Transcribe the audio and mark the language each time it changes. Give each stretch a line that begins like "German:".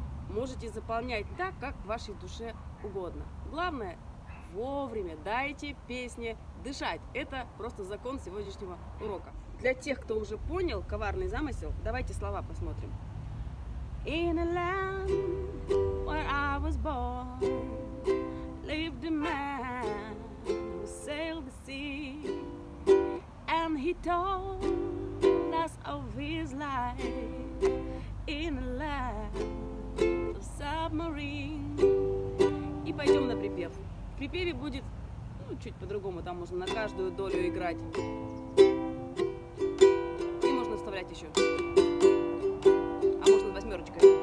Russian: Можете заполнять так, как вашей душе угодно. Главное, вовремя дайте песне дышать. Это просто закон сегодняшнего урока. Для тех, кто уже понял коварный замысел, давайте слова посмотрим.
English: In a land where I was born, lived a man who sailed the sea, and he told us of his life in a land of submarine.
Russian: И пойдем на припев. В припеве будет, ну, чуть по-другому, там можно на каждую долю играть. И можно вставлять еще. А можно восьмерочкой.